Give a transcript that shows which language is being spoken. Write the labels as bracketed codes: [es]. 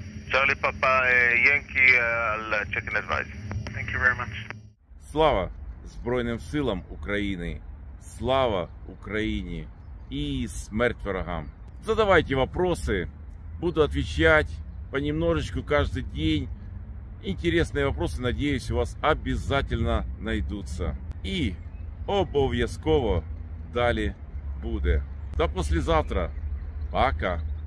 [en] Charlie Papa, Yankee, I'll check in advice. Thank you very much. [uk] Слава Збройним силам України! Слава Україні! І смерть ворогам! [ru] Задавайте вопросы, буду отвечать понемножечку каждый день. Интересные вопросы, надеюсь, у вас обязательно найдутся. И [uk] обов'язково далі буде. [ru] До послезавтра. Пока!